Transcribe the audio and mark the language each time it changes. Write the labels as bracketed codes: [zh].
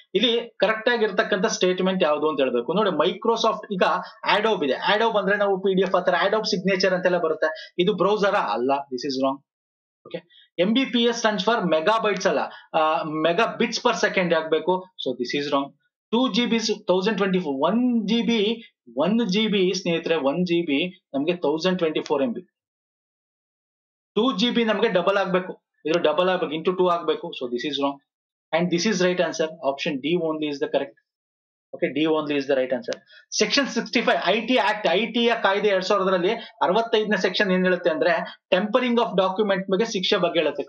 [kn] ಇಲ್ಲಿ ಕರೆಕ್ಟ್ ಆಗಿರ್ತಕ್ಕಂಥ ಸ್ಟೇಟ್ಮೆಂಟ್ ಯಾವುದು ಅಂತ ಹೇಳ್ಬೇಕು. ನೋಡಿ, ಮೈಕ್ರೋಸಾಫ್ಟ್ ಈಗ ಆಡೋಬ್ ಇದೆ. ಆಡೋಬ್ ಅಂದ್ರೆ ನಾವು ಪಿ ಡಿ ಎಫ್ ಆತರ, ಆಡೋಬ್ ಸಿಗ್ನೇಚರ್ ಅಂತೆಲ್ಲ ಬರುತ್ತೆ. ಇದು ಬ್ರೌಸರ ಅಲ್ಲ, [en] This is wrong. Okay, M B P S stand for megabytes ಅಲ್ಲ, megabits per second ಆಗ್ಬೇಕು. So this is wrong. 2 GB 1024. [kn] 1 GB, 1 GB ಸ್ನೇಹಿತರೆ, 1 GB ನಮ್ಗೆ 1024 MB. 2 GB ನಮ್ಗೆ ಡಬಲ್ ಆಗ್ಬೇಕು, ಇದ್ರ ಡಬಲ್ ಆಗ್ಬೇಕು, ಇಂಟು 2 ಆಗ್ಬೇಕು. [en] So this is wrong. And this is right answer, option D only is the correct. Okay, D only is the right answer. [kn] Section 65 I T act, I T ಯ ಕಾಯ್ದೆ 2000 65 section ಏನ್ ಹೇಳುತ್ತೆ ಅಂದ್ರೆ, [en] tampering of document [kn] ಬಗ್ಗೆ ಶಿಕ್ಷೆ ಬಗ್ಗೆ ಹೇಳುತ್ತೆ.